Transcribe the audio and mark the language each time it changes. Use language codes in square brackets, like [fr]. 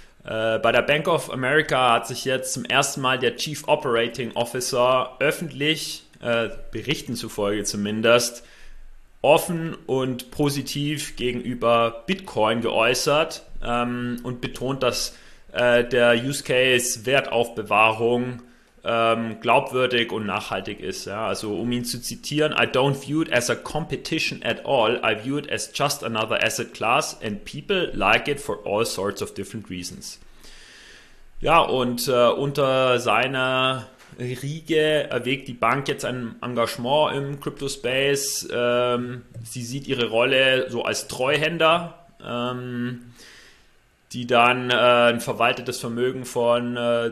[de] Bei der Bank of America hat sich jetzt zum ersten Mal der Chief Operating Officer öffentlich, Berichten zufolge zumindest, offen und positiv gegenüber Bitcoin geäußert und betont, dass der Use Case Wertaufbewahrung glaubwürdig und nachhaltig ist. Ja. Also um ihn zu zitieren, [en] I don't view it as a competition at all. I view it as just another asset class and people like it for all sorts of different reasons. [de] Ja, und unter seiner Riege erwägt die Bank jetzt ein Engagement im Crypto-Space. Sie sieht ihre Rolle so als Treuhänder, die dann ein verwaltetes Vermögen von ca.